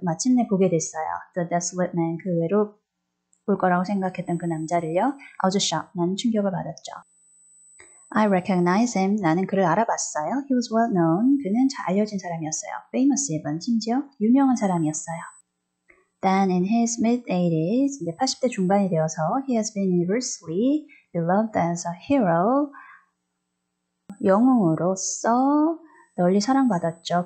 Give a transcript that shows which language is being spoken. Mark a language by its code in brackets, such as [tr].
[ko] 마침내 보게 됐어요. [en] The desolate man, [ko] 그 외로 볼 거라고 생각했던 그 남자를요. [en] I was shocked. [ko] 나는 충격을 받았죠. [en] I recognize him. [ko] 나는 그를 알아봤어요. [en] He was well known. [ko] 그는 잘 알려진 사람이었어요. [en] Famous even. [ko] 심지어 유명한 사람이었어요. [en] Then in his mid-80s, [ko] 이제 80대 중반이 되어서, [en] he has been universally beloved as a hero. [ko] 영웅으로서 널리 사랑받았죠.